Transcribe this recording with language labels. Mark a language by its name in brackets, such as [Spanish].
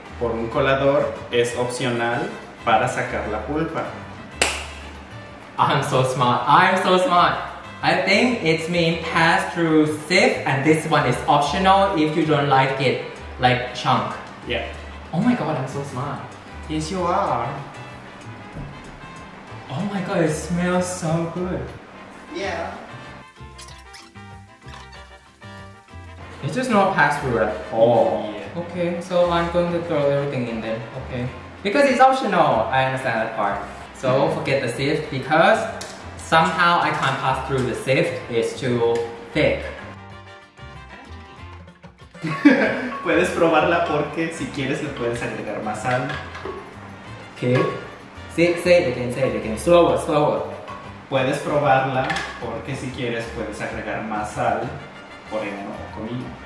[Spanish] Por un colador es opcional para sacar la pulpa. [English] I'm so smart. I think it's mean pass through sieve, and this one is optional if you don't like it, like chunk. Yeah. Oh my god, I'm so smart. Yes, you are. Oh my god, it smells so good. Yeah. It's just not pass through at all. Yeah. Okay, so I'm going to throw everything in there. Okay. Because it's optional, I understand that part. So forget the sieve, because somehow I can't pass through the sieve, it's too thick. [Spanish] Puedes probarla porque si quieres le puedes agregar más sal. [English] Okay. Say it again. Slower. [Spanish] Puedes probarla porque si quieres puedes agregar más sal, oregano o comino.